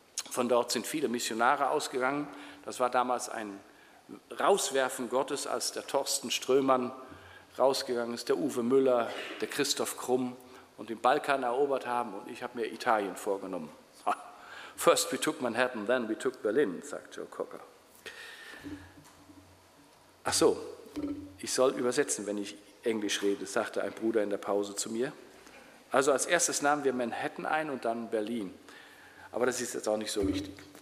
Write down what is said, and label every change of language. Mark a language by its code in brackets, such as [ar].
[de] Von dort sind viele Missionare ausgegangen. Das war damals ein Rauswerfen Gottes, als der Thorsten Strömann rausgegangen ist, der Uwe Müller, der Christoph Krumm, und den Balkan erobert haben, und ich habe mir Italien vorgenommen. [en] First we took Manhattan, then we took Berlin, [de] sagt Joe Cocker. Ach so, ich soll übersetzen, wenn ich Englisch rede, sagte ein Bruder in der Pause zu mir. Also als erstes nahmen wir Manhattan ein und dann Berlin. Aber das ist jetzt auch nicht so wichtig.